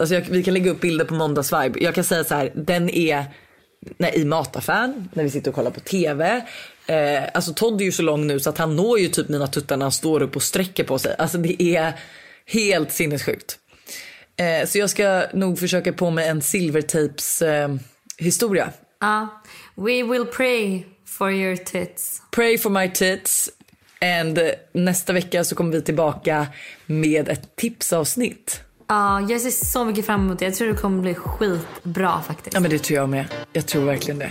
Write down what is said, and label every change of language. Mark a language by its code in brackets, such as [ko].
[sv] Alltså vi kan lägga upp bilder på Måndags Vibe. Jag kan säga så här, den är när, i mataffären, när vi sitter och kollar på tv. Alltså Todd är ju så lång nu så att han når ju typ mina tuttar när han står upp och sträcker på sig. Alltså det är helt sinnessjukt. Så jag ska nog försöka på mig en silvertapes historia. [en] We will pray for your tits. Pray for my tits. [sv] And nästa vecka så kommer vi tillbaka med ett tipsavsnitt. Jag ser så mycket fram emot det. Jag tror det kommer bli skitbra faktiskt. Ja, men det tror jag med. Jag tror verkligen det.